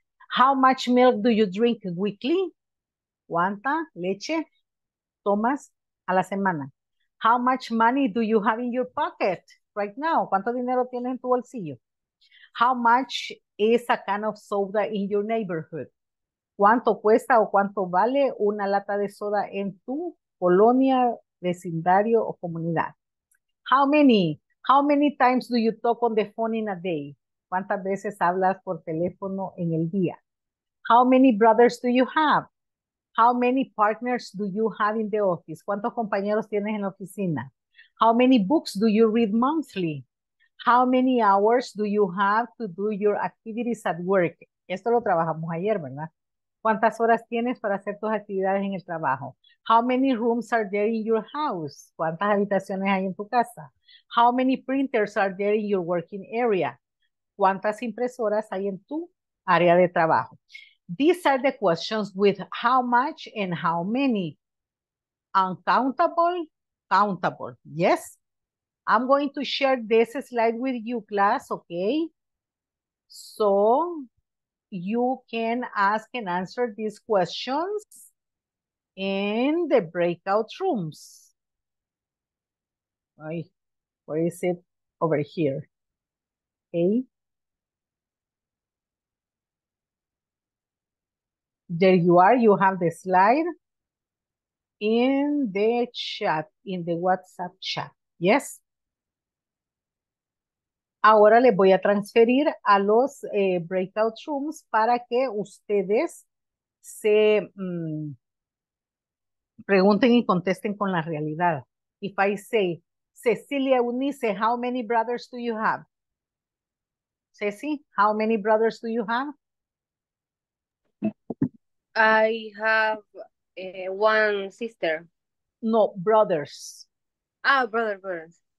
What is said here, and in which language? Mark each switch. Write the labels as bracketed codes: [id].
[en] How much milk do you drink weekly? [es] ¿Cuánta leche tomas a la semana? [en] How much money do you have in your pocket right now? [es] ¿Cuánto dinero tienes en tu bolsillo? [en] How much is a can of soda in your neighborhood? [es] ¿Cuánto cuesta o cuánto vale una lata de soda en tu colonia, vecindario o comunidad? [en] How many times do you talk on the phone in a day? [es] ¿Cuántas veces hablas por teléfono en el día? [en] How many brothers do you have? How many partners do you have in the office? [es] ¿Cuántos compañeros tienes en la oficina? [en] How many books do you read monthly? How many hours do you have to do your activities at work? [es] Esto lo trabajamos ayer, ¿verdad? ¿Cuántas horas tienes para hacer tus actividades en el trabajo? [en] How many rooms are there in your house? [es] ¿Cuántas habitaciones hay en tu casa? [en] How many printers are there in your working area? [es] ¿Cuántas impresoras hay en tu área de trabajo? [en] These are the questions with how much and how many. Uncountable, countable, yes? I'm going to share this slide with you, class, okay? So you can ask and answer these questions in the breakout rooms. Ay, where is it? Over here. Okay. There you are. You have the slide in the chat, in the WhatsApp chat. Yes. [es] Ahora les voy a transferir a los breakout rooms para que ustedes se pregunten y contesten con la realidad. [en] If I say, Cecilia Unice, how many brothers do you have? Ceci, how many brothers do you have? I have one sister. No, brothers. Ah, brothers.